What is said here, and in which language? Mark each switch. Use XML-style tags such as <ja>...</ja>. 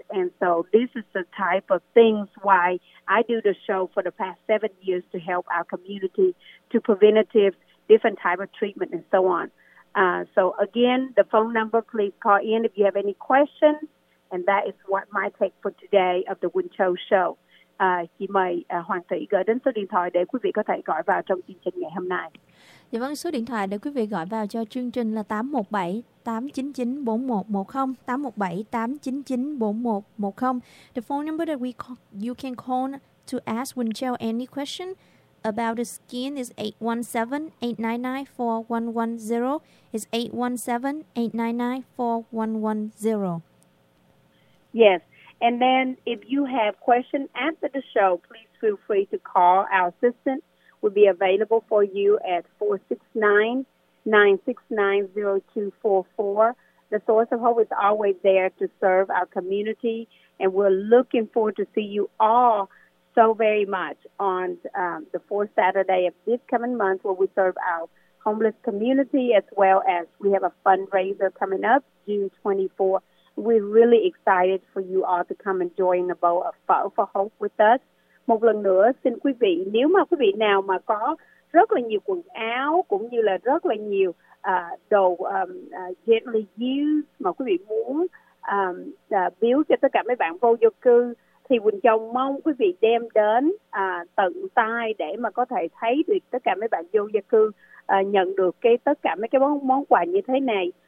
<en>And so this is the type of things why I do the show for the past 7 years, to help our community to preventative, different type of treatment and so on. So again, the phone number, please call in if you have any questions. And that is what my take for today of the Quỳnh Châu Show.</en> <vi>Xin mời Hoàng Thủy gửi đến số điện thoại để quý vị có thể gọi vào trong chương trình ngày hôm nay. Dạ vâng, số điện thoại để quý vị gọi vào cho chương trình là 817-899-4110, 817-899-4110.</vi> <en>The phone number that you can call to ask Quỳnh Châu any question about the skin is 817-899-4110. It's 817-899-4110. Yes. And then if you have questions after the show, please feel free to call our assistant. We'll be available for you at 469-969-0244. The Source of Hope is always there to serve our community. And we're looking forward to see you all so very much on the fourth Saturday of this coming month, where we serve our homeless community, as well as we have a fundraiser coming up June 24th. We're really excited for you all to come and join the Bowl of Hope with us.</en> <vi>Một lần nữa xin quý vị, nếu mà quý vị nào mà có rất là nhiều quần áo cũng như là rất là nhiều đồ</vi> <en>gently used</en> <vi>mà quý vị muốn biếu cho tất cả mấy bạn vô gia cư, thì Quỳnh Châu mong quý vị đem đến tận tay để mà có thể thấy được tất cả mấy bạn vô gia cư nhận được cái tất cả mấy cái món quà như thế này.</vi>